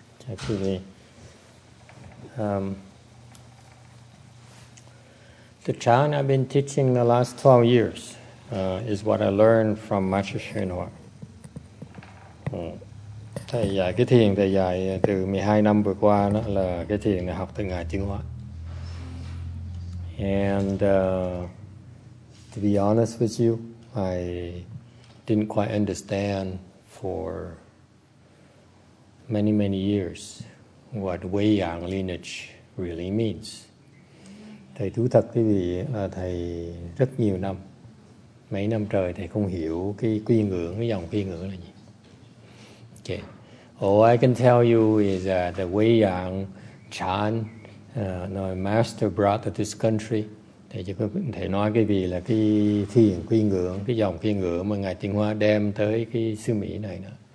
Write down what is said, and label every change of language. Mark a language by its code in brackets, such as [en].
[en] Actually, the chan I've been teaching the last 12 years is what I learned from Master Shenhua. [vi] Thầy dạy cái thiền thầy dạy từ 12 năm vừa qua đó là cái thiền học từ Ngài Chứng Hóa. [en] And to be honest with you, I didn't quite understand for many, many years what Wei Yang lineage really means. [vi] Thầy thú thật quý vị là thầy rất nhiều năm, mấy năm trời thầy không hiểu cái quy ngưỡng, cái dòng quy ngưỡng là gì. [en] Okay. All I can tell you is that the Wei Yang Chan, no master brought to this country. [vi] Thầy chỉ có thể nói cái gì là cái thiền quy ngưỡng, cái dòng quy ngưỡng mà Ngài Tịnh Hóa đem tới cái xứ Mỹ này đó.